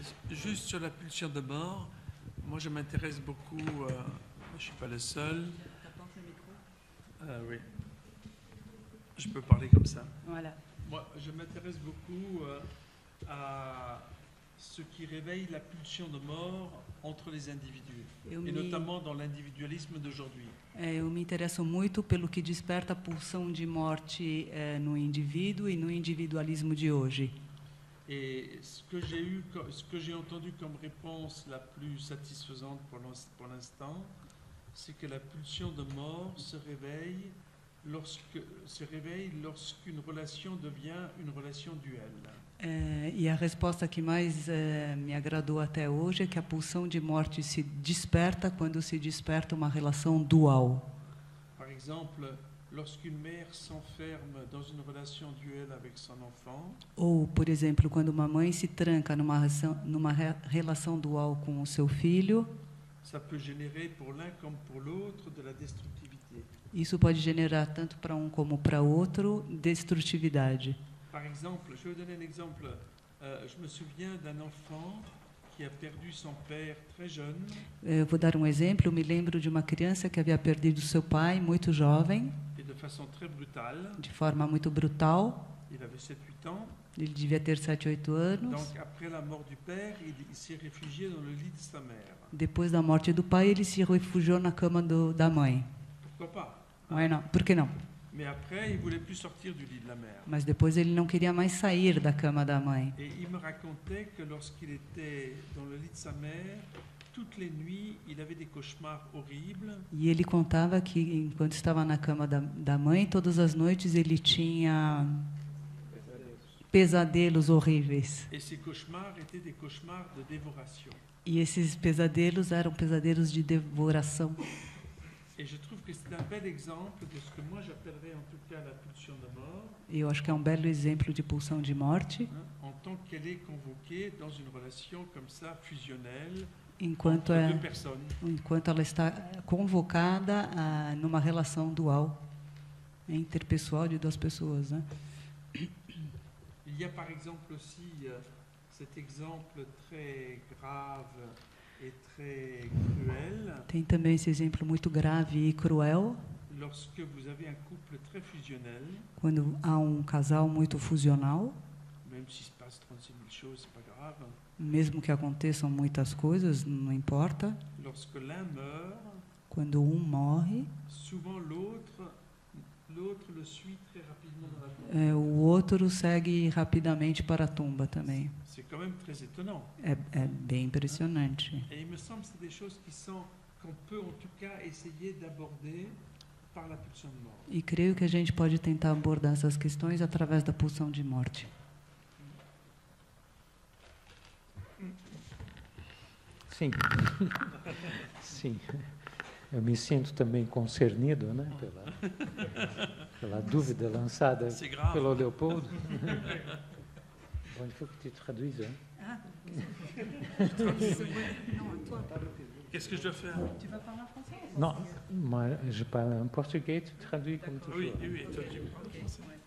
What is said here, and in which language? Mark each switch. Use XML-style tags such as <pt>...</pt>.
<fr>Juste sur la pulsion de mort, moi je m'intéresse beaucoup, je ne suis pas le seul. T'apportes le micro ? Oui. Je peux parler comme ça. Voilà. Moi je m'intéresse beaucoup à ce qui réveille la pulsion de mort entre les individus, et notamment dans l'individualisme d'aujourd'hui.</fr> <pt>Eu me interesso muito pelo que desperta a pulsão de morte no indivíduo e no individualismo de hoje.</pt> <fr>Et ce que j'ai entendu comme réponse la plus satisfaisante pour l'instant, c'est que la pulsion de mort se réveille lorsqu'une relation devient une relation duelle.</fr> <pt>E a resposta que mais me agradou até hoje é que a pulsão de morte se desperta quando se desperta uma relação dual.</pt> <fr>Par exemple, lorsqu'une mère s'enferme dans une relation duelle avec son enfant.</fr> <pt>Ou, por exemplo, quando uma mãe se tranca numa relação dual com o seu filho.</pt> <fr>Ça peut générer pour l'un comme pour l'autre de la destructivité.</fr> <pt>Isso pode gerar tanto para um como para outro destrutividade.</pt> <fr>Par exemple, je vais donner un exemple. Je me souviens d'un enfant qui a perdu son père très jeune.</fr> <pt>Eu vou dar um exemplo. Eu me lembro de uma criança que havia perdido seu pai muito jovem.</pt> <fr>Et de façon très brutale.</fr> <pt>De forma muito brutal.</pt> <fr>Il avait 7-8 ans.</fr> <pt>Ele devia ter 7-8 anos.</pt> <fr>Donc après la mort du père, il s'est réfugié dans le lit de sa mère.</fr> <pt>Depois da morte do pai, ele se refugiou na cama da mãe.</pt> <fr>Pourquoi pas? Ouais, non.</fr> <pt>Por que não?</pt> <fr>Mais après, il voulait plus sortir du lit de la mère.</fr> <pt>Mas depois ele não queria mais sair da cama da mãe.</pt> <fr>Et il me racontait que lorsqu'il était dans le lit de sa mère, toutes les nuits, il avait des cauchemars horribles.</fr> <pt>E ele contava que enquanto estava na cama da mãe, todas as noites ele tinha pesadelos horríveis.</pt> <fr>Et ces cauchemars étaient des cauchemars de dévoration.</fr> <pt>E esses pesadelos eram pesadelos de devoração.</pt> <fr>Et je trouve que c'est un bel exemple de ce que moi j'appellerais en tout cas la pulsion de mort.</fr> <pt>Eu acho que é um belo exemplo de pulsão de morte.</pt> <fr>En tant qu'elle est convoquée dans une relation comme ça fusionnelle.</fr> <pt>Enquanto</pt> <fr>entre deux personnes.</fr> <pt>Enquanto ela está convocada numa relação dual interpessoal de duas pessoas, né?</pt> <fr>Il y a par exemple aussi cet exemple très grave. Et très cruel.</fr> <pt>Tem também esse exemplo muito grave e cruel.</pt> <fr>Lorsque vous avez un couple très fusionnel.</fr> <pt>Quando há um casal muito fusional.</pt> <fr>Même si se passe 36 000 choses, c'est pas grave.</fr> <pt>Mesmo que aconteçam muitas coisas, não importa.</pt> <fr>Lorsque l'un meurt.</fr> <pt>Quando um morre.</pt> <fr>Souvent l'autre le suit très rapidement dans la tombe.</fr> <pt>O outro segue rapidamente para a tumba também.</pt> <fr>C'est quand même très étonnant.</fr> <pt>É bem impressionante.</pt> <fr>Et il me semble que c'est des choses qu'on peut en tout cas essayer d'aborder par la pulsion de mort.</fr> <pt>E creio que a gente pode tentar abordar essas questões através da pulsão de morte. Sim. Sim. Eu me sinto também concernido, né, pela dúvida lançada pelo Leopoldo.</pt> <fr>Bom, il faut que tu traduises. Hein. Ah, traduis. Qu'est-ce que je dois faire? Tu vas parler en français? Non, moi je parle en portugais, tu traduis comme toujours. Oui, oui, oui, tu traduis en français.</fr>